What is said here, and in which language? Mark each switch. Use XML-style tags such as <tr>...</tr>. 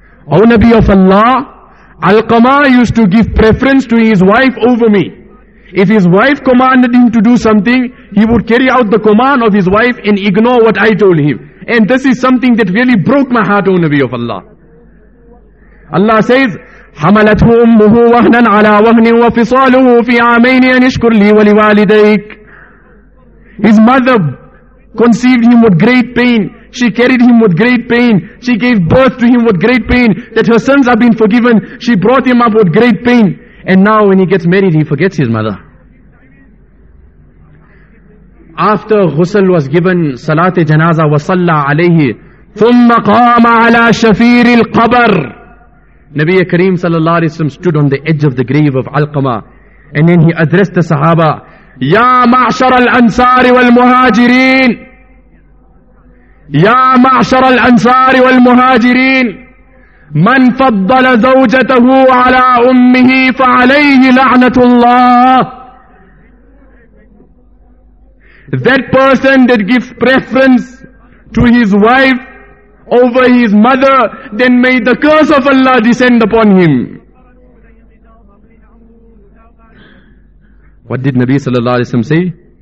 <en>O Nabi of Allah, Alqama used to give preference to his wife over me. If his wife commanded him to do something, he would carry out the command of his wife and ignore what I told him. And this is something that really broke my heart, O Nabi of Allah. Allah says,</en> <ar>حَمَلَتْهُ أُمُّهُ وَهْنًا عَلَىٰ وَهْنٍ وَفِصَالُهُ فِي عَامَيْنِ أَنِشْكُرْ لِي وَلِوَالِدَيْكَ.</ar> <en>His mother conceived him with great pain. She carried him with great pain. She gave birth to him with great pain. That her sins have been forgiven, she brought him up with great pain. And now when he gets married, he forgets his mother. After ghusl was given,</en> <ar>salat janaza wa salla alayhi, thumma qama ala shafir al qabr.</ar> <en>Nabi Kareem sallallahu alayhi wa sallam stood on the edge of the grave of Alqama. And then he addressed the sahaba,</en> <ar>ya ma'shar al ansar wal muhajirin. يا معشر الأنصار والمهاجرين من فضل زوجته على أمه فعليه لعنة الله.</ar> <en>That person that gives preference to his wife over his mother, then may the curse of Allah descend upon him. What did Nabi sallallahu alaihi wasallam say?</en>